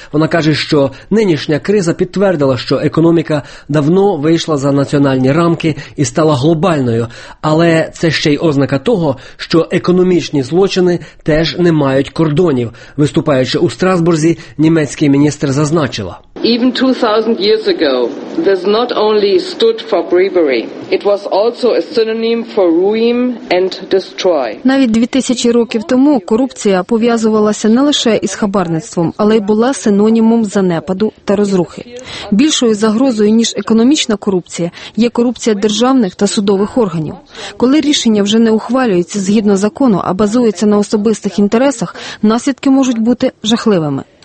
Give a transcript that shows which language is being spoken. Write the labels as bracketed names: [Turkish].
[Ukrainian] Вона каже, що нинішня криза підтвердила, що економіка давно вийшла за національні рамки і стала глобальною. Але це ще й ознака того, що економічні злочини теж не мають кордонів. Виступаючи у Страсбурзі, німецький міністр зазначила. [English] Even 2000 years ago, this not only stood for bravery, it was also a synonym for ruin and destroy. [Ukrainian] Навіть 2000 років тому корупція пов'язувалася не лише із хабарництвом, але й була синонімом занепаду та розрухи. Більшою загрозою, ніж економічна корупція, є корупція державних та судових органів. Коли рішення вже не ухвалюється згідно закону, а базується на особистих інтересах, наслідки можуть бути жахливими.